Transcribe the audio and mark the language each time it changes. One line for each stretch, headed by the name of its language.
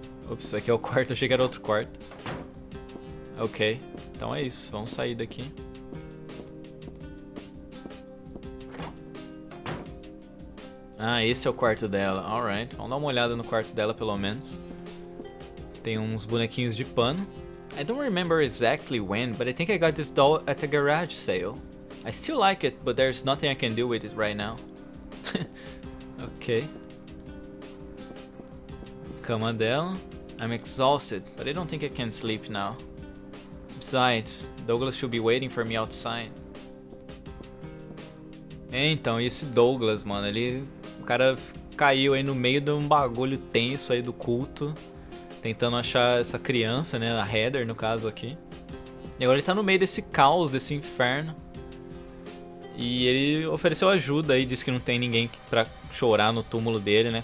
Portuguese: Ops, aqui é o quarto, achei que era outro quarto. Ok, então é isso, vamos sair daqui. Ah, esse é o quarto dela, alright, vamos dar uma olhada no quarto dela pelo menos. Tem uns bonequinhos de pano.
English: I don't remember exactly when, but I think I got this doll at a garage sale. I still like it, but there's nothing I can do with it right now. Okay.
Portuguese: Cama dela.
English: I'm exhausted, but I don't think I can sleep now. Besides, Douglas should be waiting for me outside.
Portuguese: Então, e esse Douglas, mano? Ele... O cara caiu aí no meio de um bagulho tenso aí do culto. Tentando achar essa criança, né? A Heather, no caso, aqui. E agora ele tá no meio desse caos, desse inferno. E ele ofereceu ajuda aí, disse que não tem ninguém pra chorar no túmulo dele, né?